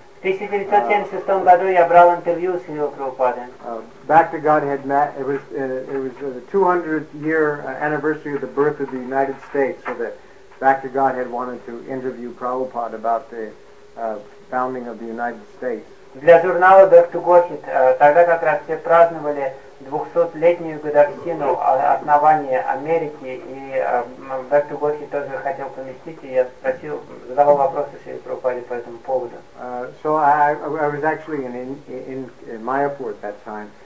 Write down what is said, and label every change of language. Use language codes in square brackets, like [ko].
[ru] В 1976 году я брал интервью с Шрилой Прабхупадой. [en] Back to Godhead, it was the 200-year anniversary of the birth of the United States, so that Back to Godhead wanted to interview Prabhupada about the founding of the United States. [ru] Для журнала Back to Godhead тогда как раз все праздновали 200-летнюю годовщину основания Америки, и Back to Godhead тоже хотел поместить, и я спросил, задавал вопросы Шри Прабхупаде по этому поводу. [en] So I was actually in Mayapur at that time.